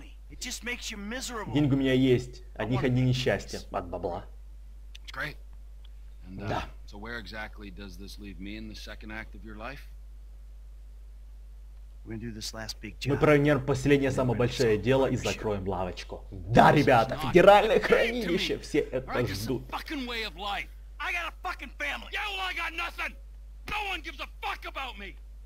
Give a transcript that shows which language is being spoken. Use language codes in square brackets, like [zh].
[ru] Деньги у меня есть, от них одни несчастья, от бабла. Да. [en] So where exactly does this leave me in the second act of your life? We're gonna do this last big job. [ru] Мы проведем последнее самое большое дело и закроем лавочку. Да, ребята, федеральное хранилище, все это ждут. [en] I got a fucking family. Yeah, well, I got nothing. No one gives a fuck about me.